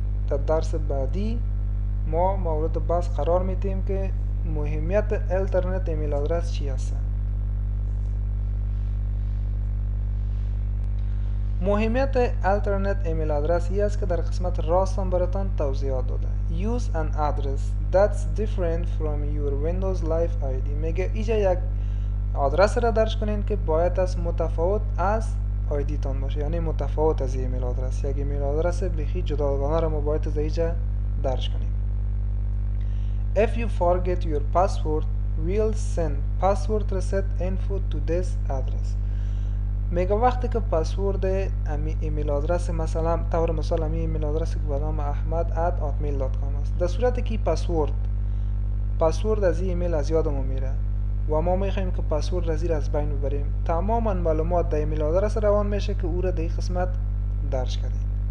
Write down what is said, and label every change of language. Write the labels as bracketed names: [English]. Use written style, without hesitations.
[Persian] در درس بعدی ما مورد بحث قرار میدیم که مهمیت اینترنت ایمیل آدرس چی است. مهمیت اینترنت ایمیل آدرس ای است که در قسمت راست هم براتان توضیح داده. [English] Use an address that's different from your Windows Live ID. [Persian] میگه ایجا یک آدرس را درج کنین که باید از متفاوت از ID تان باشه. یعنی متفاوت از ایمیل آدرس. یک ایمیل آدرس بخی جداگانه را ما باید از ایجا درج کنیم. [English] If you forget your password, we'll send password reset info to this address. [Persian] میگه وقتی که پسورد امی ایمیل آدرس مثلا طور مثال امی ایمیل آدرس که بنام احمد اد آتمیل دات کام است، در صورت که پسورد از ایمیل از یادمون میره و ما میخواییم که پسورد را زیر از بین ببریم، تماما معلومات در ایمیل آدرس روان میشه که او را در قسمت درج کردیم.